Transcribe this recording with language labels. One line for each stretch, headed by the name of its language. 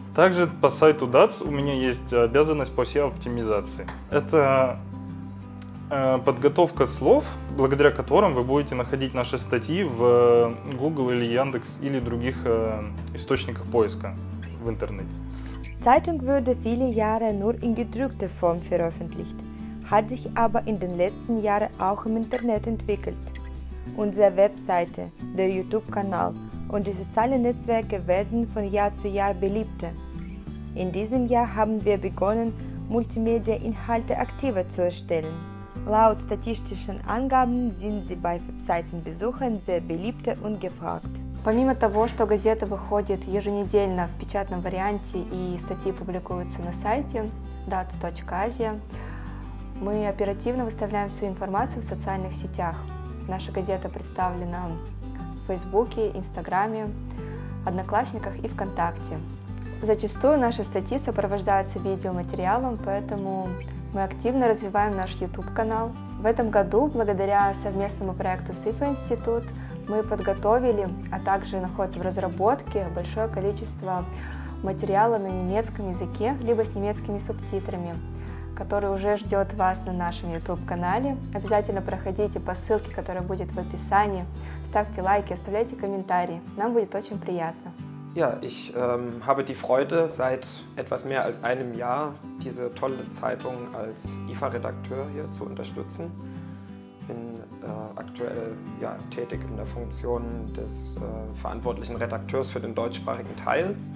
Russian: Также по сайту DATS у меня есть обязанность по SEO-оптимизации. Это подготовка слов, благодаря которым вы будете находить наши статьи в Google или Яндекс или других источниках поиска в интернете.
German: Zeitung wurde viele Jahre nur in gedruckter Form veröffentlicht, hat sich aber in den letzten Jahren auch im Internet entwickelt. Unsere Webseite, der YouTube-Kanal und die sozialen Netzwerke werden von Jahr zu Jahr beliebter. In diesem Jahr haben wir begonnen, Multimedia-Inhalte aktiver zu erstellen. Laut statistischen Angaben sind sie bei Webseitenbesuchern sehr beliebter und gefragt.
Russian: Помимо того, что газета выходит еженедельно в печатном варианте и статьи публикуются на сайте dats.asia, мы оперативно выставляем всю информацию в социальных сетях. Наша газета представлена в Фейсбуке, Инстаграме, Одноклассниках и ВКонтакте. Зачастую наши статьи сопровождаются видеоматериалом, поэтому мы активно развиваем наш YouTube-канал. В этом году, благодаря совместному проекту с IFA-институт, мы подготовили, а также находится в разработке, большое количество материала на немецком языке, либо с немецкими субтитрами, который уже ждет вас на нашем YouTube-канале. Обязательно проходите по ссылке, которая будет в описании. Ставьте лайки, оставляйте комментарии. Нам будет очень приятно.
German: Ja, ich habe die Freude, seit etwas mehr als einem Jahr diese tolle Zeitung als IFA-Redakteur hier zu unterstützen. Bin aktuell tätig in der Funktion des verantwortlichen Redakteurs für den deutschsprachigen Teil.